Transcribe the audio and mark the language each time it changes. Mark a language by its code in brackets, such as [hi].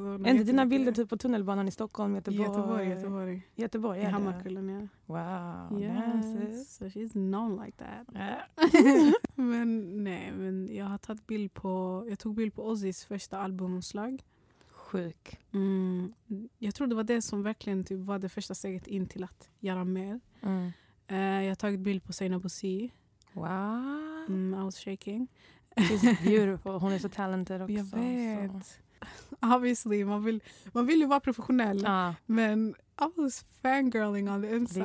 [sv] är inte dina bilder typ på tunnelbanan i Stockholm, Göteborg? Göteborg. Är i Hammarkullen, ja. Wow. [en] Yes, so she's known like that. Yeah. [sv] Men nej, men jag har tagit bild på... Jag tog bild på Ozzys första albumomslag. Sjuk. Jag tror det var det som verkligen typ var det första steget in till att göra mer. Jag har tagit bild på Zainab Osi. Wow. [en] I was shaking. She's beautiful. [sv] Hon är så talented också. Jag vet. Så. Obviously, man vill ju vara professionell. Men [en] I was fangirling on the inside.